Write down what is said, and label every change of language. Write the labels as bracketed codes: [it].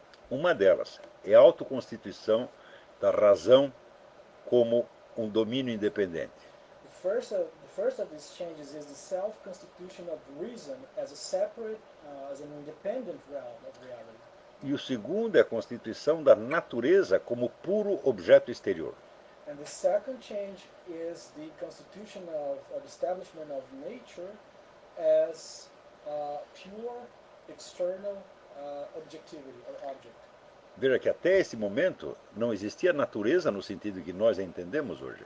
[pt] Uma delas é a autoconstituição da razão como um domínio independente. [en] The first of these changes is the self-constitution of reason as a separate, as an independent realm of reality. [pt] E o segundo é a constituição da natureza como puro objeto exterior. [en] And the second change is the constitution of, or the establishment of nature as a pure external objectivity or object. [pt] Veja que até esse momento não existia natureza no sentido que nós a entendemos hoje.